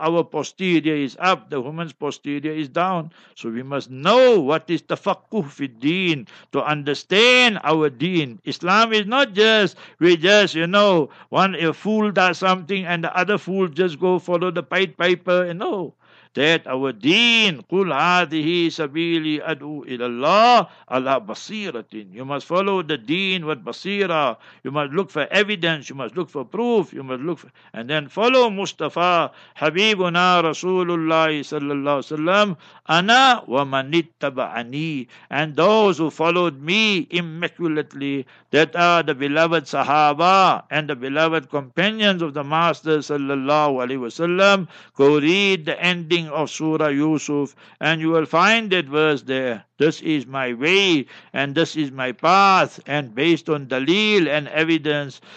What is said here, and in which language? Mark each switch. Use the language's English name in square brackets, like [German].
[English] Our posterior is up, the woman's posterior is down. So we must know what is tafaqquh fi deen, to understand our deen. Islam is not just, we just, you know, one a fool does something and the other fool just go follow the Pied Piper, you know. That our deen, [Arabic] قُلْ هَذِهِ سَبِيلِ أَدْعُوا إِلَى اللَّهِ عَلَىٰ بَصِيرَةٍ. [English] You must follow the deen with basira. You must look for evidence. You must look for proof. You must look for, and then follow Mustafa, [Arabic] حَبِيبُنَا رَسُولُ اللَّهِ صَلَّى اللَّهُ عَلَيْهِ وَسَلَّمُ أَنَا وَمَنِ اتَّبَعَنِي. [English] And those who followed me immaculately, that are the beloved sahaba and the beloved companions of the Master sallallahu alayhi wasallam. Go read the end of Surah Yusuf and you will find that verse there. This is my way and this is my path, and based on Dalil and evidence.